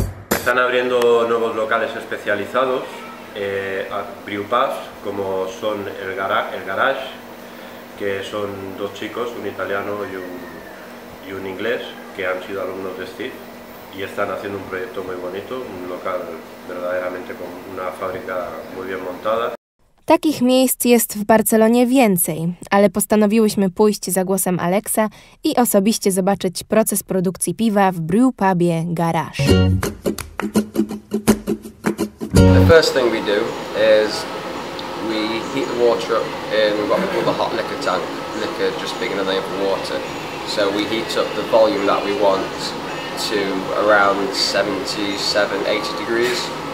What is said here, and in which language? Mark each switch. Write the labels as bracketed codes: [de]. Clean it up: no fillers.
[es] Están abriendo nuevos locales especializados, brew pubs, como son el garage, que son dos chicos, un italiano y un inglés, que han sido alumnos de Steve y están haciendo un proyecto muy bonito, un local verdaderamente con una fábrica muy bien montada. [pl] Takich miejsc jest w Barcelonie więcej, ale postanowiłyśmy pójść za głosem Alexa i osobiście zobaczyć proces produkcji piwa w brew pubie Garage. [en] The first thing we do is we heat the water up in what we call the hot liquor tank, liquor just big enough for water. So we heat up the volume that we want to around 77-80 degrees.